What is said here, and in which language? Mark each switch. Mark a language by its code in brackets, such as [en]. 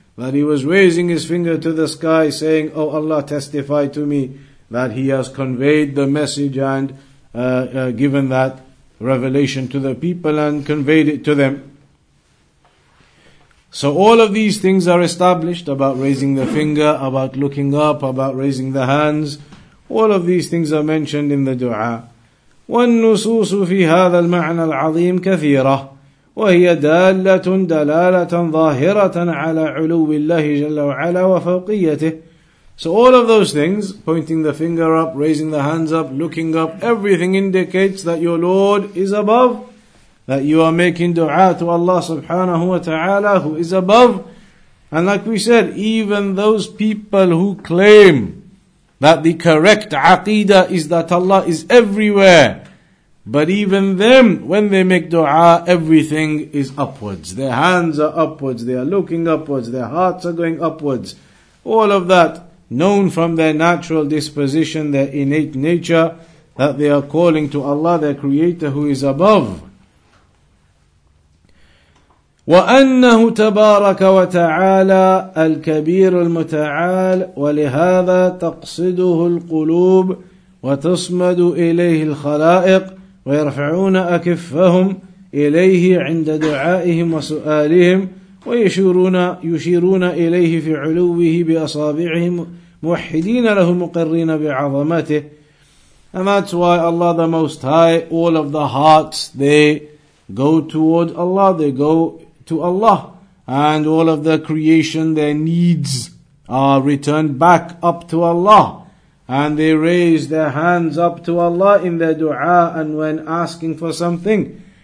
[en] That he was raising his finger to the sky saying, Oh Allah, testify to me that he has conveyed the message and given that revelation to the people and conveyed it to them. So all of these things are established about raising the finger, about looking up, about raising the hands. All of these things are mentioned in the dua. [ar] والنصوص في هذا المعنى العظيم كثيرة وهي دالة دلالة ظاهرة على علو الله جل وعلا وفوقيته. [en] So all of those things, pointing the finger up, raising the hands up, looking up, everything indicates that your Lord is above, that you are making dua to Allah subhanahu wa ta'ala, who is above. And like we said, even those people who claim that the correct aqidah is that Allah is everywhere, but even them, when they make dua, everything is upwards. Their hands are upwards, they are looking upwards, their hearts are going upwards. All of that, known from their natural disposition, their innate nature, that they are calling to Allah, their Creator, who is above. [ar] وأنه تبارك وتعالى الكبير المتعال ولهذا تقصده القلوب وتصمد إليه الخلائق ويرفعون أكفهم إليه عند دعائهم وسؤالهم ويشيرون إليه في علوه بأصابعهم موحدين له مقرين بعظمته. [en] And that's why Allah the Most High, all of the hearts, they go toward Allah, they go to Allah, and all of the creation, their needs are returned back up to Allah, and they raise their hands up to Allah in their dua and when asking for something,